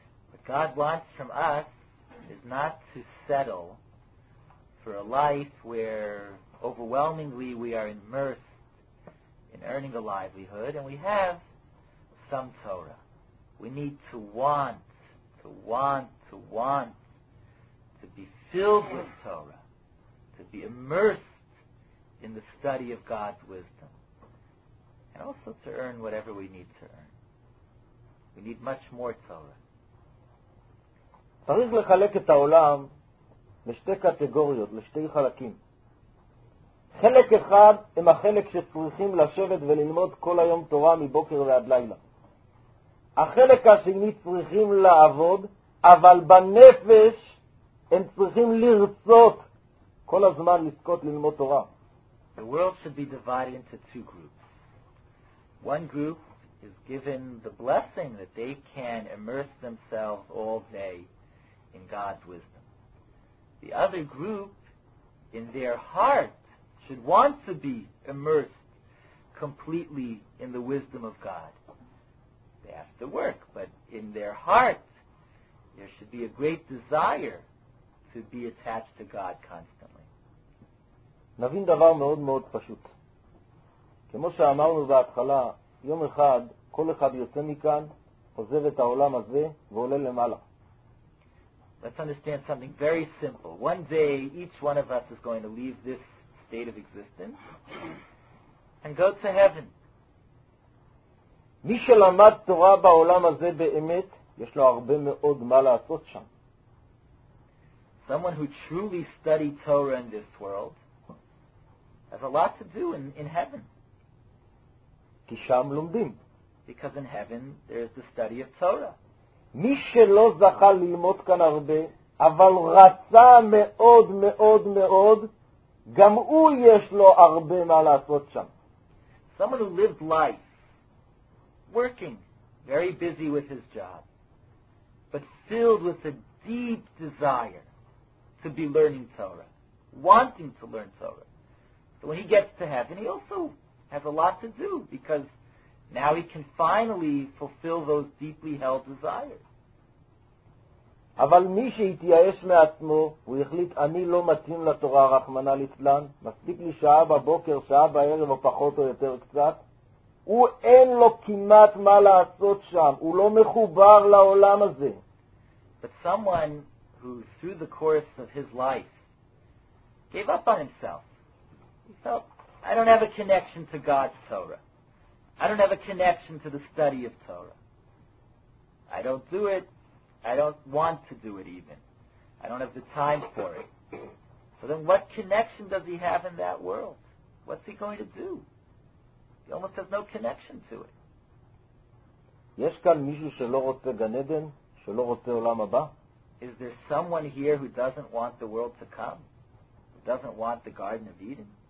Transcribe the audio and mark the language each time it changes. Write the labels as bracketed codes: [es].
[en] What God wants from us is not to settle for a life where overwhelmingly we are immersed in earning a livelihood, and we have some Torah. We need to want, to want, to want, to be filled with Torah, to be immersed in the study of God's wisdom, and also to earn whatever we need to earn. We need much more Torah. [he] צריך לחלק את העולם לשתי קטגוריות, לשתי חלקים. חלק אחד הם החלק שצריכים לשבת וללמוד כל היום תורה מבוקר ועד לילה. החלק השני צריכים לעבוד, אבל בנפש הם צריכים לרצות כל הזמן לזכות ללמוד תורה. [en] The world should be divided into two groups. One group is given the blessing that they can immerse themselves all day in God's wisdom. The other group, in their heart, should want to be immersed completely in the wisdom of God. The have to work, but in their heart, there should be a great desire to be attached to God constantly. [he] נבין דבר מאוד מאוד פשוט. כמו שאמרנו בהתחלה, יום אחד, כל אחד יוצא מכאן, עוזב את העולם הזה ועולה למעלה. [en] Let's understand something very simple. One day, each one of us is going to leave this state of existence and go to heaven. [he] מי שלמד תורה בעולם הזה באמת, יש לו הרבה מאוד מה לעשות שם. [en] Someone who truly studied Torah in this world has a lot to do in heaven. [he] כי שם לומדים. [en] Because in heaven there is the study of Torah. [he] מי שלא זכה ללמוד כאן הרבה, אבל רצה מאוד מאוד מאוד, גם הוא יש לו הרבה מה לעשות שם. [en] Someone who lived life, working, very busy with his job, but filled with a deep desire to be learning Torah, wanting to learn Torah. So when he gets to heaven, he also has a lot to do, because now he can finally fulfill those deeply held desires. [he] אבל מי שהתייאש מעצמו, הוא החליט, אני לא מתאים לתורה רחמנא ליצלן, מספיק לי שעה בבוקר, שעה בערב, או פחות או יותר קצת, הוא אין לו כמעט מה לעשות שם, הוא לא מחובר לעולם הזה. [en] But someone who through the course of his life gave up on himself, he felt, I don't have a connection to God's Torah. I don't have a connection to the study of Torah. I don't do it. I don't want to do it even. I don't have the time for it. So then what connection does he have in that world? What's he going to do? He almost has no connection to it. [he] יש כאן מישהו שלא רוצה גן עדן? שלא רוצה עולם הבא? [en] Is there someone here who doesn't want the world to come? Who doesn't want the Garden of Eden?